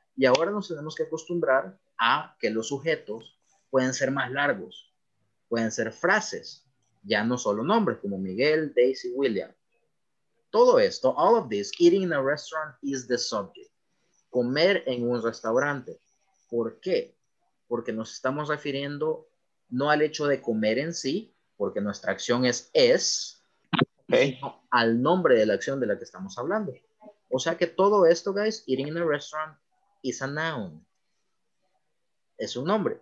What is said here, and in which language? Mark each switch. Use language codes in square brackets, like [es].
[es] Y ahora nos tenemos que acostumbrar a que los sujetos pueden ser más largos. Pueden ser frases. Ya no solo nombres, como Miguel, Daisy, William. Todo esto, [en] all of this, eating in a restaurant is the subject. [es] Comer en un restaurante. ¿Por qué? Porque nos estamos refiriendo no al hecho de comer en sí, porque nuestra acción es, [en] okay, [es] al nombre de la acción de la que estamos hablando. O sea que todo esto, guys, [en] eating in a restaurant is a noun. [es] Es un nombre.